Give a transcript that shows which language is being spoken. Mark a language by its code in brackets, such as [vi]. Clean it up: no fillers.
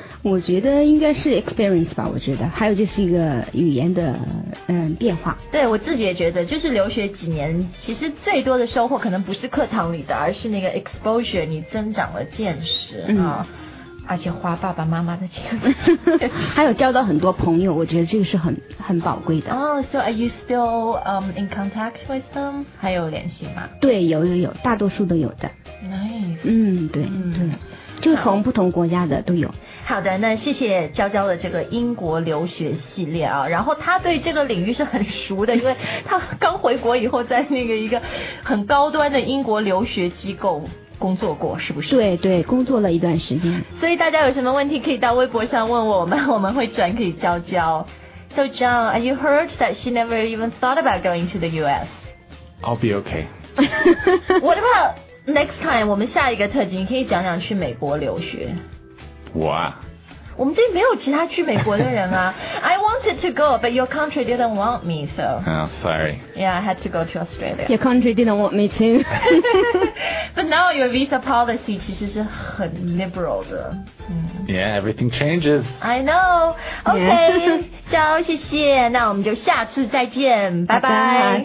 [zh] 我觉得应该是 experience 吧，我觉得还有就是一个语言的变化。对，我自己也觉得就是留学几年其实最多的收获可能不是课堂里的，而是那个 exposure， 你增长了见识啊。而且花爸爸妈妈的钱还有交到很多朋友，我觉得这个是很宝贵的。 [en] So are you still in contact with them? [zh] 还有联系吗？对，有大多数都有的。 [en] Nice. [zh] 对对，就是从不同国家的都有。好的，那谢谢娇娇的这个英国留学系列啊，然后他对这个领域是很熟的，因为他刚回国以后在那个一个很高端的英国留学机构工作过，是不是？对对，工作了一段时间。所以大家有什么问题可以到微博上问我们会转给娇娇。 [en] So John, are you hurt that she never even thought about going to the US? I'll be okay. What about next time? [zh] 我们下一个特辑你可以讲讲去美国留学。我啊？我们这里没有其他去美国的人啊。 [en] I wanted to go, but your country didn't want me, so. Oh, sorry. Yeah, I had to go to Australia. Your country didn't want me too. But now your visa policy [zh] 其实是很 [en] liberal 的。 Yeah, everything changes. I know. [zh] Okay, 娇，谢谢。那我们就下次再见，拜拜。